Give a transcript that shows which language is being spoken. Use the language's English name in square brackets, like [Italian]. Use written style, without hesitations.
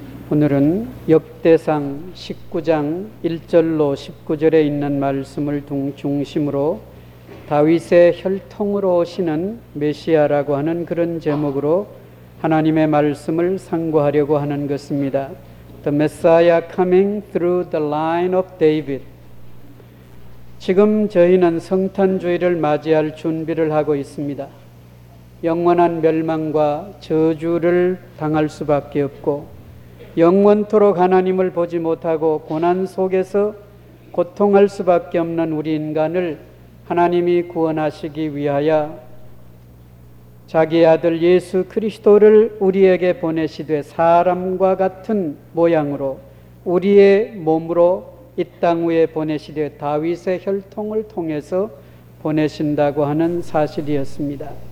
[Korean] 오늘은 역대상 19장 1절로 19절에 있는 말씀을 중심으로 다윗의 혈통으로 오시는 메시아라고 하는 그런 제목으로 하나님의 말씀을 상고하려고 하는 것입니다. [English] The Messiah coming through the line of David. [Korean] 지금 저희는 성탄주일을 맞이할 준비를 하고 있습니다. 영원한 멸망과 저주를 당할 수밖에 없고 영원토록 하나님을 보지 못하고 고난 속에서 고통할 수밖에 없는 우리 인간을 하나님이 구원하시기 위하여 자기 아들 예수 그리스도를 우리에게 보내시되 사람과 같은 모양으로 우리의 몸으로 이 땅 위에 보내시되 다윗의 혈통을 통해서 보내신다고 하는 사실이었습니다.